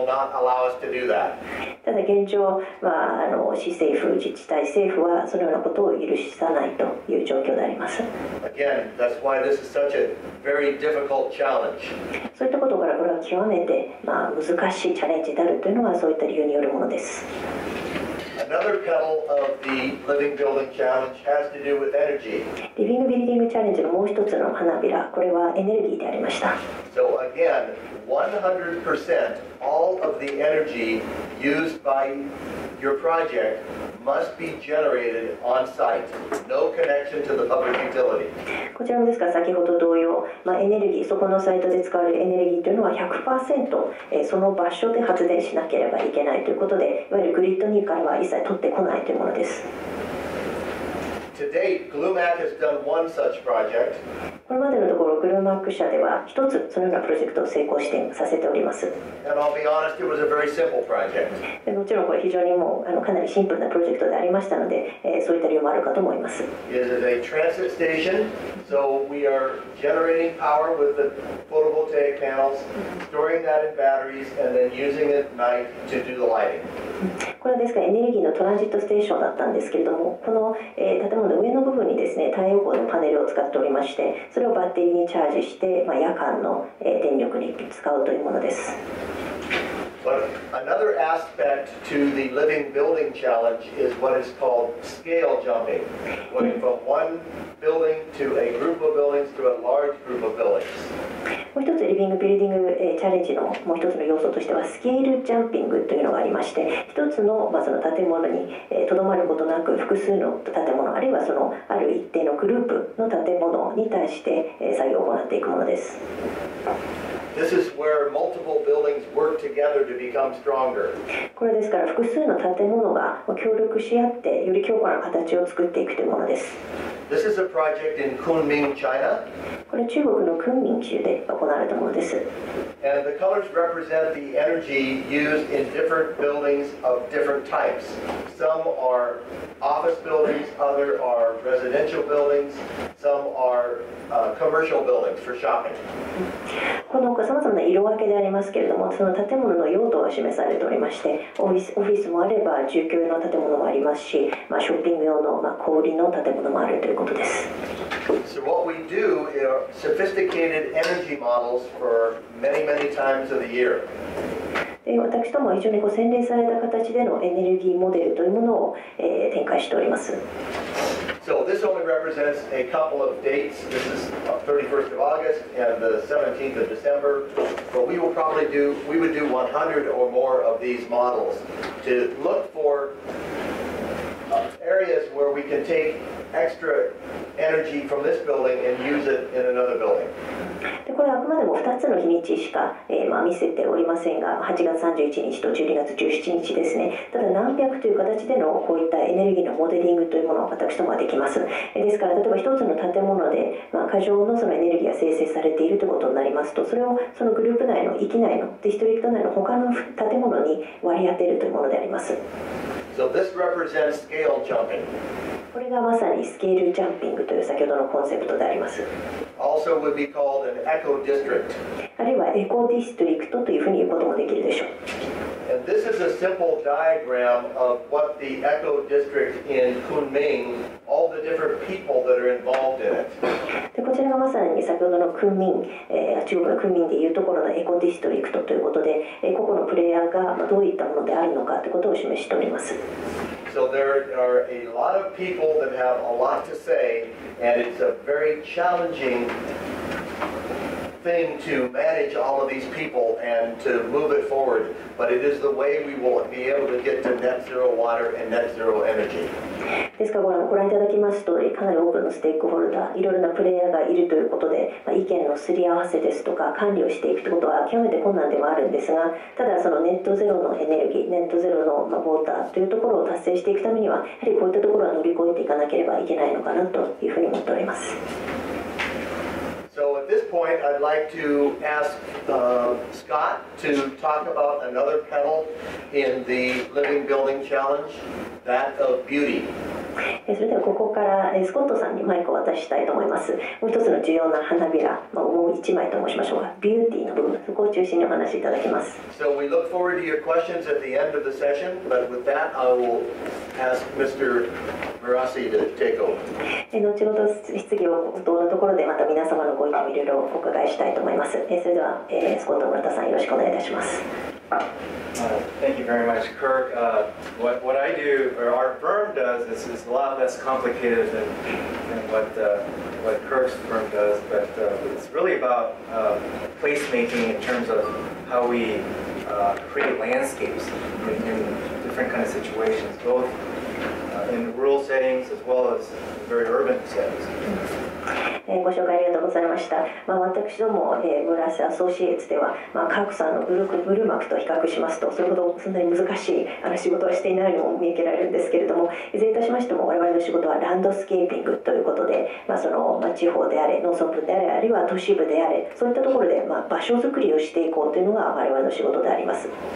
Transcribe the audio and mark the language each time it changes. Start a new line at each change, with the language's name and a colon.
Japanese: ただ現状、市政府、自治体、政府はそのようなことを許さないという状況であります。
English: Again, that's why this is such a very difficult challenge.
Japanese: そういったことからこれは極めて、難しいチャレンジであるというのはそういった理由によるものです。
English: Another pebble of the living building challenge has to do with energy.
Japanese: リビングビルディングチャレンジのもう一つの花びら、これはエネルギーでありました。
English: So again, 100% all of the energy used by your project must be generated on site. No connection to the public utility.
Japanese: こちらもですから先ほど同様、エネルギー、そこのサイトで使われるエネルギーというのは 100% その場所で発電しなければいけないということで、いわゆるグリッドにからは一切取ってこないというものです。
English: To date, GLUMAC has done one such project.
Japanese: これまでのところ、グルーマック社では一つそのようなプロジェクトを成功してさせております。
English: And I'll be honest, it was a very simple project.
Japanese: でもちろんこれ非常にかなりシンプルなプロジェクトでありましたので、そういった理由もあるかと思います。
English: It is a transit station, so we are generating power with the photovoltaic panels, storing that in batteries, and then using it at night to do the lighting.
Japanese: これはですからエネルギーのトランジットステーションだったんですけれども、この建物の上の部分にですね太陽光のパネルを使っておりまして、それをバッテリーにチャージして夜間の電力に使うというものです。
English: But another aspect to the living building challenge is what is called scale jumping, going from one building to a group of buildings to a large group of buildings.
Japanese: もう一つリビングビルディング、チャレンジのもう一つの要素としてはスケールジャンピングというのがありまして、一つ の、まあその建物にとど、まることなく複数の建物あるいはそのある一定のグループの建物に対して、作業を行っていくものです。
English: This is where multiple buildings work together to become stronger.
Japanese: これですから複数の建物が協力し合ってより強固な形を作っていくというものです。
English: This is a project in Kunming, China.
Japanese: これ中国の昆明州で行われたものです。
English: And the colors represent the energy used in different buildings of different types. Some are office buildings, other are residential buildings, some are commercial buildings for shopping.
Japanese: このさまざまな色分けでありますけれども、その建物の用途が示されておりまして、オフィスもあれば住居用の建物もありますし、まあ、ショッピング用の、まあ、小売りの建物もあるということです。
English: So what we do are sophisticated energy models for many, many times of the year.
Japanese: で私ども非常にこう洗練された形でのエネルギーモデルというものを、展開しております。
English: So this only represents a couple of dates. This is the 31st of August and the 17th of December. But we will probably do, we would do 100 or more of these models to look for areas where we can take extra energy from this building and use it in another building.
Japanese: でこれはあくまでも2つの日にちしか、まあ、見せておりませんが、8月31日と12月17日ですね。ただ何百という形でのこういったエネルギーのモデリングというものを私どもはできます。ですから例えば1つの建物で、まあ、過剰 の、 そのエネルギーが生成されているということになりますと、それをそのグループ内の域内のディストリクト内の他の建物に割り当てるというものであります。
English: So this represents scale jumping.
Japanese: これがまさにスケールジャンピングという先ほどのコンセプトであります。
English: Also would be called an echo district.
Japanese: あるいはエコディストリクトというふうに言うこともできるでしょう。
English: And this is a simple diagram of what the echo district in Kunming, all the different people that are involved in it.
Japanese: でこちらがまさに先ほどの昆明、中国の昆明でいうところのエコディストリクトということで、個々のプレイヤーがどういったものであるのかということを示しております。
English: So there are a lot of people that have a lot to say, and it's a very challenging thing to manage all of these people and to move it forward. But it is the way we will be able to get to net zero water and net zero energy.
Japanese: ですからご覧いただきますと、かなり多くのステークホルダー、いろいろなプレイヤーがいるということで、まあ、意見のすり合わせですとか管理をしていくということは極めて困難ではあるんですが、ただそのネットゼロのエネルギー、ネットゼロのウォーターというところを達成していくためには、やはりこういったところは乗り越えていかなければいけないのかなというふうに思っております。
English: So at this point, I'd like to ask Scott to talk about another panel in the Living Building Challenge, that of beauty.
Japanese: それではここからスコットさんにマイクを渡したいと思います。もう一つの重要な花びら、まあ、もう一枚と申しましょうか。ビューティーの部分、そこを中心にお話しいただきます。
English: So we look forward to your questions at the end of the session, but with that, I will ask Mr. Murasi to take over.
Japanese: 後ほど質疑応答のところでまた皆様のご意見をいろいろお伺いしたいと思います。それでは、スコット村田さん、よろしくお願いいたします。
English: Thank you very much, Kirk. What I do, or our firm does, this is a lot less complicated than what Kirk's firm does, but it's really about placemaking in terms of how we create landscapes in different kinds of situations, both in rural settings as well as very urban settings.
Japanese: ご紹介ありがとうございました、まあ、私ども、ブラスアソシエーツでは、まあ、カークさんのブルマクと比較しますと、それほどそんなに難しい仕事をしていないのも見受けられるんですけれども、いずれいたしましても我々の仕事はランドスケーピングということで、まあ、その、まあ、地方であれ、農村部であれ、あるいは都市部であれ、そういったところで、まあ、場所づくりをしていこうというのが我々の仕事であります。